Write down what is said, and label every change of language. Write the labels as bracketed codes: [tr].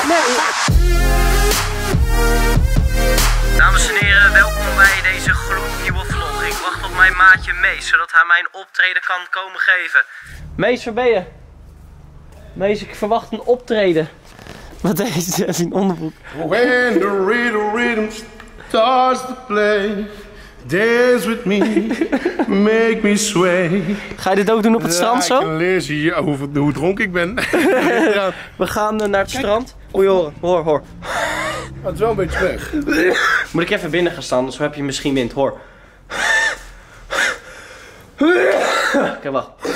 [nl] Nee. Dames en heren, welkom bij deze gloednieuwe vlog. Ik wacht op mijn maatje Mees, zodat hij mijn optreden kan komen geven. Mees, waar ben je? Mees, ik verwacht een optreden. Wat is dit? Dat is een onderbroek. [en] When the real rhythm starts to play, dance with me, make me sway. [nl] Ga je dit ook doen op het strand zo? Leer zie je hoe dronk ik ben. We gaan naar het strand. Oei, hoor. Het is wel een beetje weg. Moet ik even binnen gaan staan, zo heb je misschien wind, hoor. Oké, wacht.